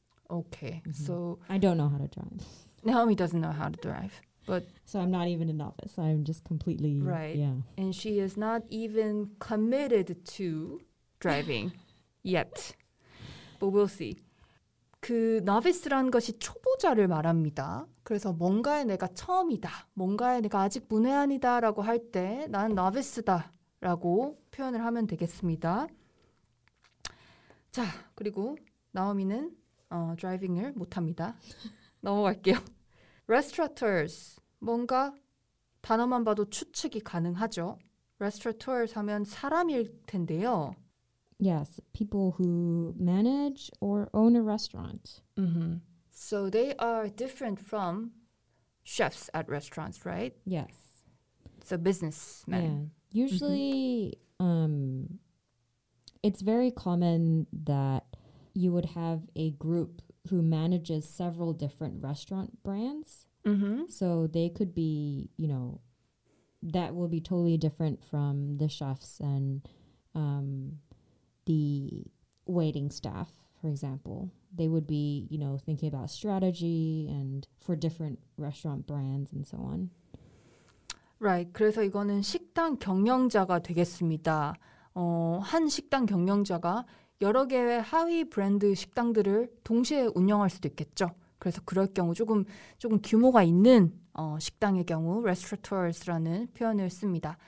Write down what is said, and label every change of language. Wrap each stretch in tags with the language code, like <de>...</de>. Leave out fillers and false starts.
<en>Okay, mm-hmm. so... I don't know how to drive. Naomi doesn't know how to drive, but... So I'm not even a novice. I'm just completely... Right. Yeah. And she is not even committed to driving yet. But we'll see.</en> <ko>그 novice란 것이 초보자를 말합니다. 그래서 뭔가에 내가 처음이다. 뭔가에 내가 아직 문외한이다 라고 할 때 난 novice다 라고 표현을 하면 되겠습니다. 자, 그리고 나오미는... driving을 못합니다. 넘어갈게요.</ko> <en>Restaurateurs.</en> <ko>뭔가 단어만 봐도 추측이 가능하죠. Restaurateurs 하면 사람일 텐데요.</ko> <en>Yes, people who manage or own a restaurant. Mm-hmm. So they are different from chefs at restaurants, right? Yes. So businessmen. Yeah. Usually, mm-hmm. It's very common that you would have a group who manages several different restaurant brands. Mm-hmm. So they could be, you know, that will be totally different from the chefs and the waiting staff, for example. They would be, you know, thinking about strategy and for different restaurant brands and so on. Right.</en> <ko>그래서 이거는 식당 경영자가 되겠습니다. 한 식당 경영자가 여러 개의 하위 브랜드 식당들을 동시에 운영할 수도 있겠죠. 그래서 그럴 경우 조금 규모가 있는 식당의 경우 restaurateurs라는 표현을 씁니다.</ko>